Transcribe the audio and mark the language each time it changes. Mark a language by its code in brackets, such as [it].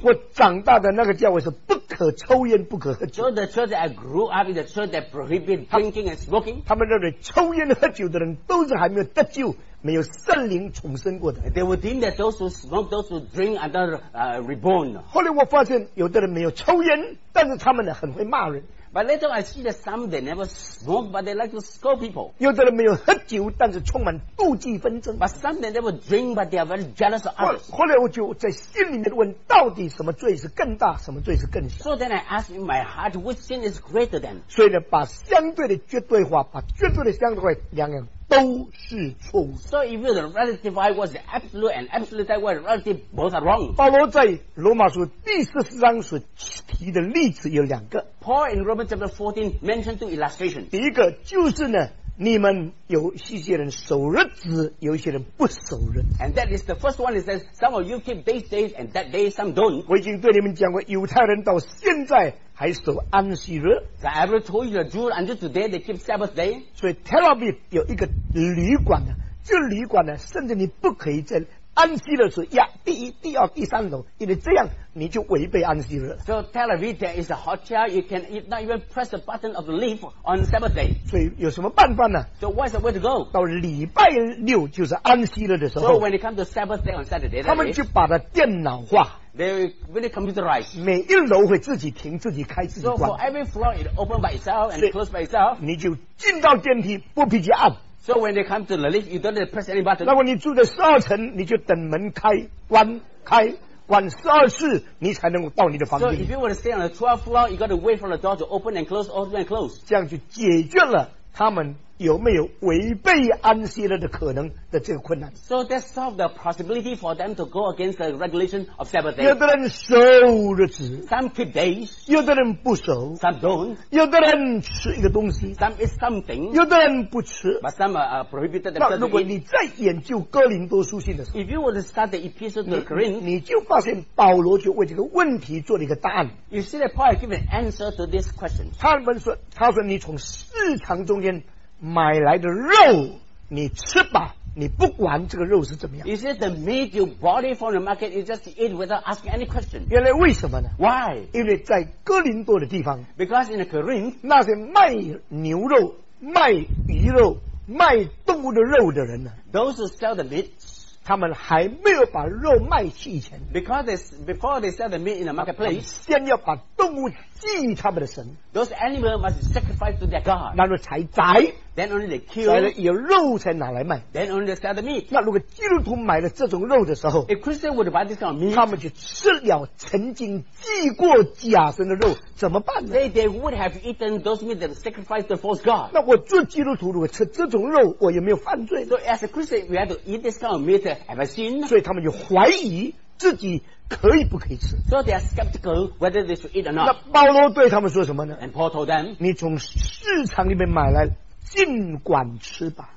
[zh] 我长大的那个教会是不可抽烟不可喝酒。 [en] So the church that I grew up in, the church that prohibited drinking and smoking. [zh] 他们认为抽烟喝酒的人都是还没有得救，没有圣灵重生过的。 [en] They would think that those who smoke, those who drink are not reborn. [zh] 后来我发现有的人没有抽烟，但是他们呢很会骂人。 [en] But later I see that some they never smoke, but they like to scold people. [zh] 有的人没有喝酒，但是充满妒忌纷争。 [en] But some they never drink, but they are very jealous of others. [zh] 后来我就在心里面问，到底什么罪是更大，什么罪是更小？ [en] So then I ask in my heart, which sin is greater than? [zh] 所以呢，把相对的绝对化，把绝对的相对化，两样都是错误。 [en] So if the relative I was the absolute and absolute I was the relative, both are wrong. [zh] 保罗在罗马书第14章所提的例子有两个。 [en] Paul in Romans chapter 14 mentioned two illustrations. [zh] 第一个就是呢，你们有一些人守日子，有一些人不守日子。 [en] And that is the first one. It says some of you keep these days and that day some don't. [zh] 我已经对你们讲过，犹太人到现在还守安息日。 [en] So I already told you the Jews until today they keep Sabbath day. [zh] 所以 Tel Aviv 有一个旅馆呢，这旅馆呢，甚至你不可以在安息日时压第一、第二、第三楼，因为这样你就违背安息日。 [en] So Tel Aviv there is a hotel you can not even press the button of the lift on Sabbath day. [zh] 所以有什么办法呢？ [en] So what's the way to go? [zh] 到礼拜六就是安息日的时候。 [en] So when it comes to Sabbath day on Saturday, [zh] 他们就把它电脑化。 [en] They really computerized. [zh] 每一楼会自己停、自己开、自己关。 [en] So for every floor it open by itself and close by itself. [zh] 你就进到电梯不必去按。 [en] So when they come to the lift, you don't need to press any button. [zh] 如果你住在十二层，你就等门开、关、开、关十二次，你才能够到你的房间。 [en] So if you were to stay on the 12th floor, you got to wait for the door to open and close, open and close. [zh] 这样就解决了他们有没有违背安息日的可能的这个困难。 [en] So that solved the possibility for them to go against the regulation of Sabbath day. [zh] 有的人守日子。 [en] Some keep days. [zh] 有的人不守。 [en] Some don't. [zh] 有的人吃一个东西。 [en] Some eat something. [zh] 有的人不吃。 [en] But some are prohibited. [zh] 那如果你再研究哥林多书信的时候。 [en] If you were to study the epistle to Corinthians. [zh] 你就发现保罗就为这个问题做了一个答案。 [en] You see that Paul gave an answer to this question. [zh] 他说你从市场中间买来的肉你吃吧，你不管这个肉是怎么样。 [en] Is it the meat you bought it from the market? You just eat without asking any question. [zh] 原来为什么呢 [en] ？Why? [zh] 因为在哥林多的地方。 [en] Because in Corinth, [zh] 那些卖牛肉、卖鱼肉、卖动物的肉的人呢 [en] ？Those who sell the meat, [zh] 他们还没有把肉卖去以前。 [en] Because before they sell the meat in the marketplace, [zh] 先要把动物祭于他们的神。 [en] Those animals must sacrifice to their god. [zh] 那么才宰。 [en] Then only they kill. [zh] 有肉才拿来卖。 [en] Then only they sell the meat. [zh] 那如果基督徒买了这种肉的时候 [en] ，If Christian would buy this kind of meat, [zh] 他们就吃了曾经祭过假神的肉，怎么办呢 [en] ？They would have eaten those meat that sacrificed the false god. [zh] 那我做基督徒如果吃这种肉，我有没有犯罪 [en] ？So as a Christian, we have to eat this kind of meat. Have I sinned? [zh] 所以他们就怀疑自己。可以不可以吃 [en] ？So they are skeptical whether they should eat or not. [zh] 那保罗对他们说什么呢 [en] ？And Paul told them, [zh] 你从市场里面买来，尽管吃吧。